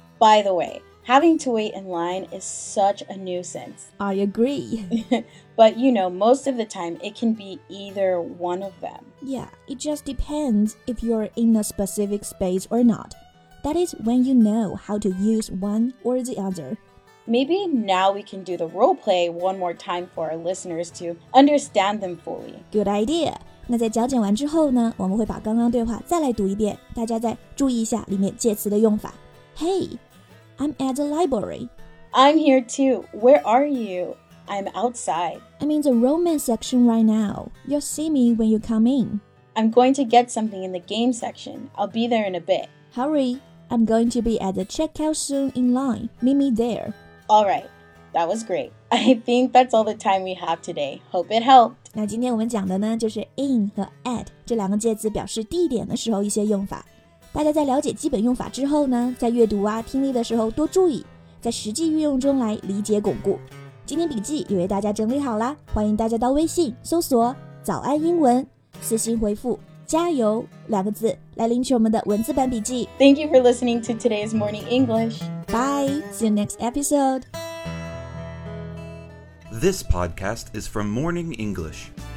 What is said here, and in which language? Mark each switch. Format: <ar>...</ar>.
<en>By the way, having to wait in line is such a nuisance. I agree. But you know, most of the time, it can be either one of them. Yeah, it just depends if you're in a specific space or not. That is when you know how to use one or the other. Maybe now we can do the role play one more time for our listeners to understand them fully. Good idea.</en> <zh>那在讲解完之后呢，我们会把刚刚对话再来读一遍，大家再注意一下里面介词的用法。</zh> <en>Hey, I'm at the library. I'm here too. Where are you? I'm outside. I'm in the romance section right now. You'll see me when you come in. I'm going to get something in the game section. I'll be there in a bit. Hurry, I'm going to be at the checkout soon in line. Meet me there. All right, that was great. I think that's all the time we have today. Hope it helped.</en> <zh>那今天我们讲的呢，就是 in 和 at 这两个介词表示地点的时候一些用法。大家在了解基本用法之后呢，在阅读啊、听力的时候多注意，在实际运用中来理解巩固。今天笔记也为大家整理好了，欢迎大家到微信搜索“早安英文”，私信回复“加油”两个字来领取我们的文字版笔记。</zh> <en>Thank you for listening to today's Morning English. Bye. See you next episode. This podcast is from Morning English.</en>